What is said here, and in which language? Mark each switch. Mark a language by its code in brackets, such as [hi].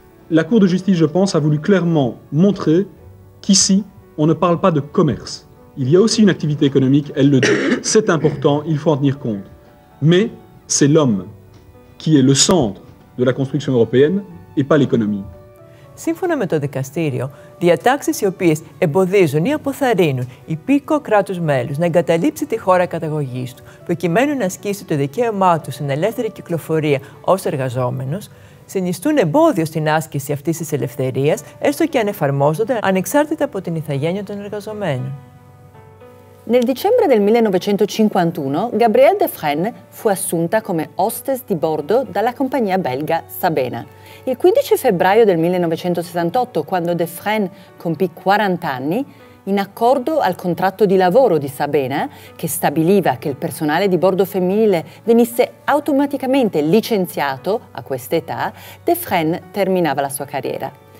[fr] La Cour de justice, je pense, a voulu clairement montrer qu'ici, on ne parle pas de commerce. Il y a aussi une activité économique, elle le dit. C'est important, il faut en tenir compte. Mais c'est l'homme qui est le centre de la construction européenne et pas l'économie. [el] Σύμφωνα με το δικαστήριο, διατάξεις οι οποίες εμποδίζουν ή αποθαρρύνουν υπήκο κράτους μέλους να εγκαταλείψει τη χώρα καταγωγής του προκειμένου να ασκήσει το δικαίωμά του στην ελεύθερη κυκλοφορία ως εργαζόμενος, συνιστούν εμπόδιο στην άσκηση αυτής της ελευθερίας, έστω και αν εφαρμόζονται ανεξάρτητα από την ηθαγένεια των εργαζομένων. [it] Nel dicembre del 1951, Gabrielle Defresne fu assunta come hostess di bordo dalla compagnia belga Sabena. Il 15 febbraio del 1968, quando Defresne compì 40 anni, in accordo al contratto di lavoro di Sabena, che stabiliva che il personale di bordo femminile venisse automaticamente licenziato a questa età, Defresne terminava la sua carriera.